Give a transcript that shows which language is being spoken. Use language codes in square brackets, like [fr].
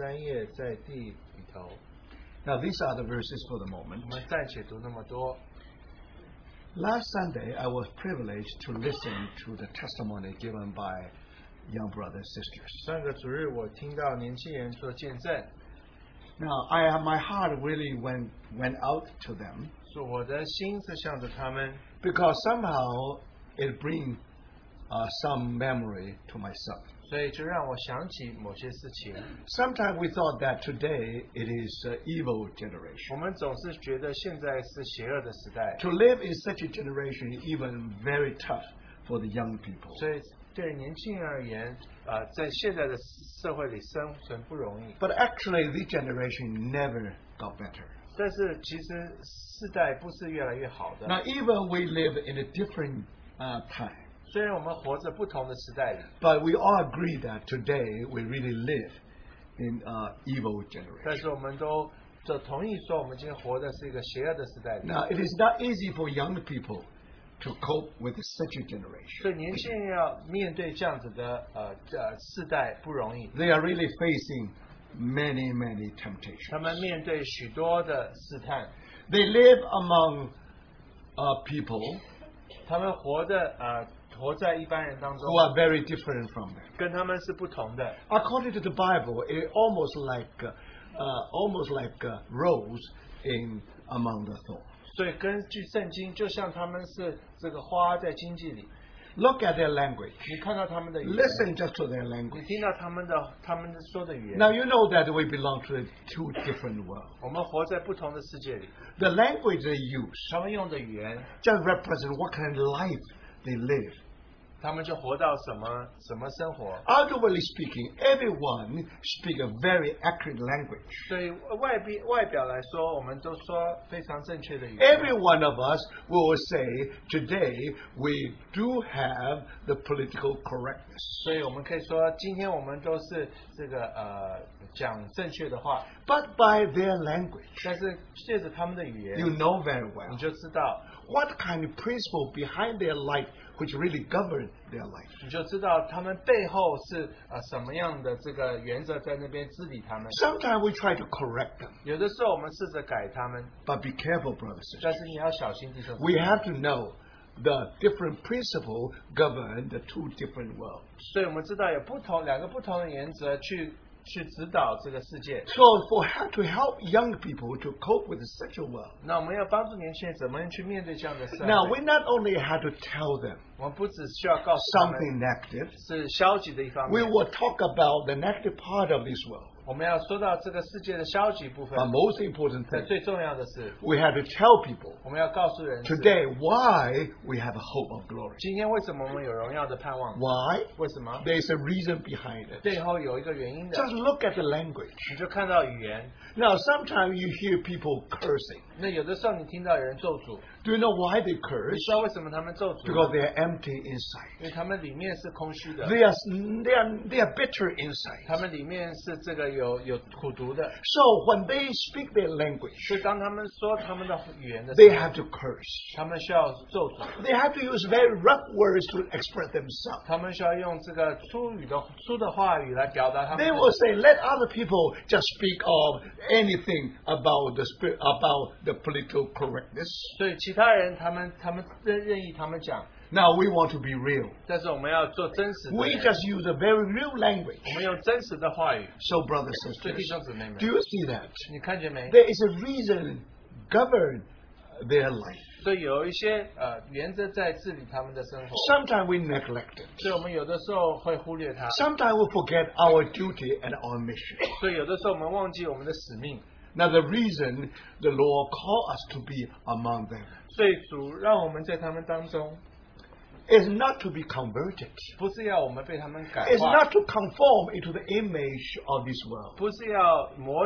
[zh] 约拿三日三夜在大鱼肚腹里中，人子也要这样三日三夜在地里头。 [en] Now these are the verses for the moment. [zh] 我们暂且读那么多。 [en] Last Sunday, I was privileged to listen to the testimony given by young brothers and sisters. [zh] 上个主日我听到年轻人做见证。 [en] Now, my heart really went out to them. [zh] 是我的心是向着他们。 [en] Because somehow it brings some memory to myself. [zh] 所以就让我想起某些事情。 [en] Sometimes we thought that today it is an evil generation. [zh] 我们总是觉得现在是邪恶的时代。 [en] To live in such a generation is even very tough for the young people. [zh] 所以对年轻人而言, 在现在的社会里生存不容易。 [en] But actually, this generation never got better. [zh] 但是其实世代不是越来越好的。 [en] Now, even we live in a different time. [zh] 虽然我们活着不同的时代里, [en] but we all agree that today we really live in an evil generation. [zh] 但是我们都同意说我们今天活的是一个邪恶的时代里。 [en] Now, it is not easy for young people to cope with such a generation. [zh] 所以年轻人要面对这样子的, 世代不容易。 [en] They are really facing many, many temptations. [zh] 他们面对许多的试探。 [en] They live among people. [zh] 他们活着, [en] who are very different from them. [zh] 跟他们是不同的。 [en] According to the Bible, it almost like rose in among the thorns. [zh] 所以根据圣经, 就像他们是这个花在荆棘里。 [en] Look at their language. [zh] 你看到他们的语言。 [en] Listen just to their language. [zh] 你听到他们的说的语言。 [en] Now you know that we belong to two different worlds. [zh] 我们活在不同的世界里。 [en] The language they use [zh] 他们用的语言, [en] just represent what kind of life they live. [zh] 他们就活到什么生活? [en] Outwardly speaking, everyone speaks a very accurate language. [zh] 对外表来说，我们都说非常正确的语言。 [en] Every one of us will say, today we do have the political correctness. [zh] 所以我们可以说，今天我们都是这个, 讲正确的话。 [en] But by their language, [zh] 但是借着他们的语言, [en] you know very well, [zh] 你就知道, [en] what kind of principle behind their life which really govern their life. [zh] 你就知道他们背后是, 什么样的这个原则在那边治理他们。 [en] Sometimes we try to correct them. [zh] 有的时候我们试着改他们。 [en] But be careful, brothers and sisters. [zh] 但是你要小心地说, [en] we have to know the different principle govern the two different worlds. [zh] 对,我们知道有不同两个不同的原则去指导这个世界。 [en] So for how to help young people to cope with the sexual world. [zh] 那我们要帮助年轻人怎么样去面对这样的事。 [en] Now we not only had to tell them [zh] 我们不只需要告诉他们 [en] something negative. [zh] 是消极的一方面, [en] we will talk about the negative part of this world. [zh] 我们要说到这个世界的消极部分, [en] but most important thing, [zh] 最重要的是, [en] we have to tell people [zh] 我们要告诉人是, [en] today why we have a hope of glory. [zh] 今天为什么我们有荣耀的盼望? [en] Why? [zh] 为什么? [en] There's a reason behind it. [zh] 背后有一个原因的, [en] just look at the language. [zh] 你就看到语言, [en] now, sometimes you hear people cursing. [zh] 那有的时候你听到有人咒诅, [en] do you know why they curse? [zh] 你知道为什么他们咒诅吗? [en] Because they are empty inside. [zh] 因为他们里面是空虚的, [en] they are bitter inside. [zh] 他们里面是这个 有苦毒的, [en] so when they speak their language, [zh] 所以当他们说他们的语言的时候, [en] they have to curse. [zh] 他们需要咒诅, [en] they have to use very rough words to express themselves. [zh] 他们需要用这个粗语的话语来表达他们的, [en] they will say, let other people just speak of anything about the spirit, about the political correctness. [zh] 所以其他人他们任意他们讲, [en] now we want to be real. [zh] 但是我们要做真实的, [en] we just use a very real language. [zh] 我们用真实的话语, [en] so brothers and sisters, [zh] 弟兄姊妹们, [en] do you see that? [zh] 你看见没? [en] There is a reason govern their life. [zh] 所以有一些, 原则在治理他们的生活, [en] sometimes we neglect it. [zh] 所以我们有的时候会忽略它, [en] sometimes we forget our duty and our mission. [zh] 所以有的时候我们忘记我们的使命, [en] now the reason the Lord called us to be among them, [zh] 所以主让我们在他们当中, [en] is not to be converted. [zh] 不是要我们被他们改化, [en] is not to conform into the image of this world.